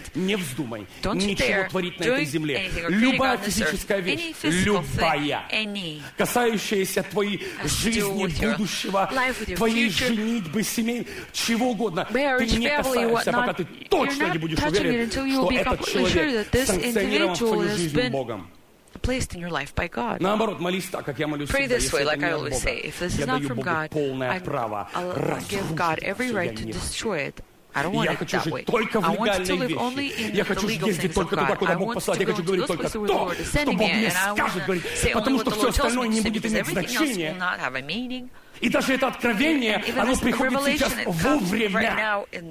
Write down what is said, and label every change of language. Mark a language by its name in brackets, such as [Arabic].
[Russian] Не вздумай ничего творить на этой земле. Любая физическая вещь, любая, касающаяся твоей жизни, будущего, твоей женитьбы, семей, чего угодно, ты не касаешься, пока ты точно не будешь уверен, что этот человек санкционирован в твою жизнь Богом. [English] Placed in your life by God. [Russian] Наоборот, молись так, как я молюсь. [English] Pray this way, like [Russian] Бога, [English] I always say. If this is not from God, I'll give God every right to destroy it. I don't want it that way. I want to live only in the legal things of God. [Russian] Туда, [English] I want to go to those places where the Lord is sending me, and I want to say only what the Lord tells me, because everything else will not have a meaning. [Russian] И даже это откровение, оно приходит сейчас вовремя.